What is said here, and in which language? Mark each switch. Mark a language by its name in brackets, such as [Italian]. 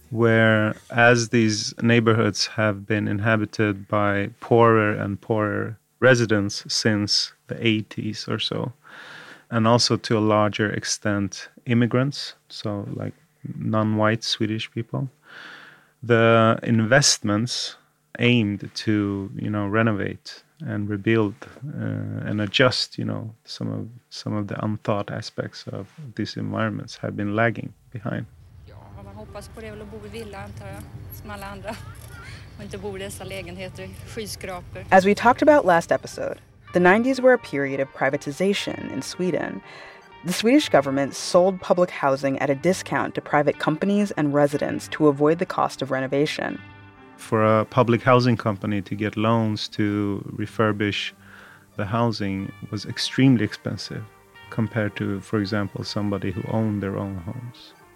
[English] Where as these neighborhoods have been inhabited by poorer and poorer residents since the 80s or so, and also to a larger extent immigrants, so like non-white Swedish people, the investments aimed to, you know, renovate and rebuild and adjust, you know, some of the unthought aspects of these environments have been lagging behind. [Swedish] Ja, man hoppas på det väl att bo i villa, antar jag, som alla andra. Och inte bo i dessa lägenheter, skyskraper. [English] As we talked about last episode, the 90s were a period of privatization in Sweden. The Swedish government sold public housing at a discount to private companies and residents to avoid the cost of renovation. For a public housing company to get loans to refurbish the housing was extremely expensive compared to, for example, somebody who owned their own homes.